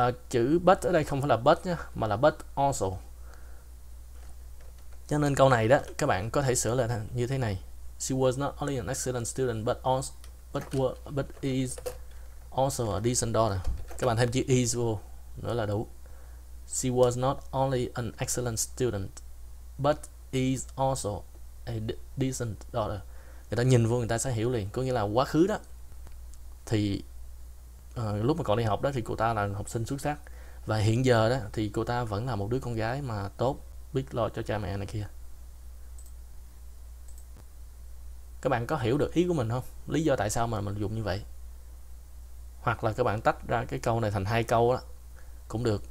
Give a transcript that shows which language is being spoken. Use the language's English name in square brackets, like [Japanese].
[Vietnamese] Chữ but ở đây không phải là but nhá, mà là but also. Cho nên câu này đó các bạn có thể sửa lại như thế này: [English] She was not only an excellent student but also but is also a decent daughter. [Vietnamese] Các bạn thêm chữ is vô nữa là đủ. [English] She was not only an excellent student but is also a decent daughter. [Vietnamese] Người ta nhìn vô người ta sẽ hiểu liền, có nghĩa là quá khứ đó thì lúc mà còn đi học đó thì cô ta là học sinh xuất sắc, và hiện giờ đó thì cô ta vẫn là một đứa con gái mà tốt, biết lo cho cha mẹ này kia. Các bạn có hiểu được ý của mình không? Lý do tại sao mà mình dùng như vậy? Hoặc là các bạn tách ra cái câu này thành hai câu đó cũng được.